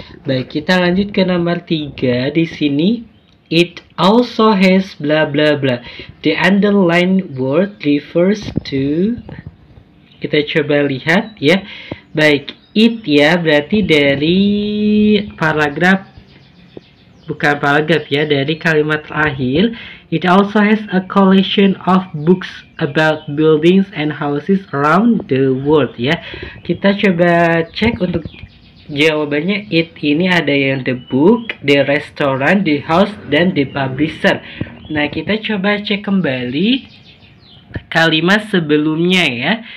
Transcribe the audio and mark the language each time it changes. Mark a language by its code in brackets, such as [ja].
[id] Baik, kita lanjut ke nomor 3 di sini. [en] It also has blah blah blah. The underlined word refers to. [id] Kita coba lihat ya. Baik, it ya berarti dari paragraf, bukan paragraf ya, dari kalimat terakhir. [en] It also has a collection of books about buildings and houses around the world ya. [id] Kita coba cek untuk jawabannya. It ini ada yang [en] the book, the restaurant, the house, [id] dan [en] the publisher. [id] Nah, kita coba cek kembali kalimat sebelumnya ya.